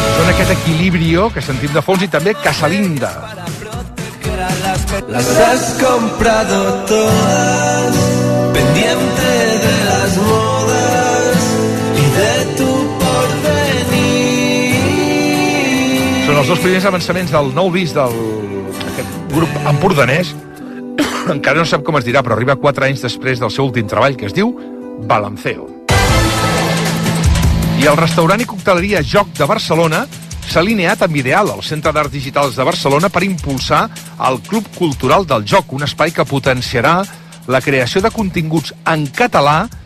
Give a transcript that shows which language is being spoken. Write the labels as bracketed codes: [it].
[ca] Aquest Equilibrio, que sentim de fons, i també Casalinda. [es] Las has comprado todas, pendiente de las modas y de tu porvenir. [ca] Són els dos primers avançaments del nou disc del aquest grup empordanès. Encara no sap com es dirà, però arriba 4 anys després del seu últim treball, que es diu Balanceo. I el restaurant i cocteleria Joc de Barcelona s'ha alineat amb Ideal, el Centre d'Arts Digitals de Barcelona, per impulsar el Club Cultural del Joc, un espai que potenciarà la creació de continguts en català